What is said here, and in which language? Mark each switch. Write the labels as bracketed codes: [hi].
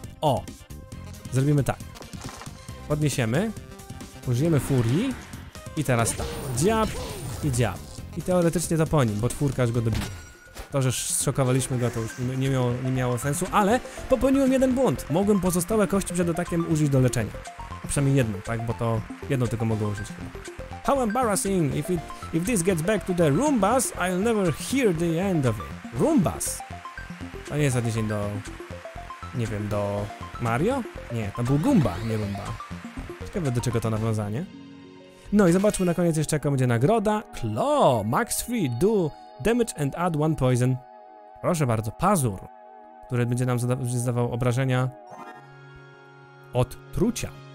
[pl] O! Zrobimy tak. Podniesiemy. Użyjemy Fury. I teraz tak. Dziab i dziab. I teoretycznie to po nim, bo 4 aż go dobije. To, że zszokowaliśmy go, to już nie miało sensu, ale popełniłem jeden błąd. Mogłem pozostałe kości przed atakiem użyć do leczenia. Przynajmniej jedną, tak? Bo to jedną tylko mogę użyć. [en] How embarrassing! If this gets back to the Roombas, I'll never hear the end of it. Roombas! [pl] To nie jest odniesień do... Nie wiem, do... Mario? Nie, to był Goomba, nie Roomba. Ciekawe, do czego to nawiązanie. No i zobaczmy na koniec jeszcze, jaka będzie nagroda. Claw! Max 3, do... [en] Damage and add 1 poison. [pl] Proszę bardzo, pazur, który będzie nam zdawał obrażenia od trucia.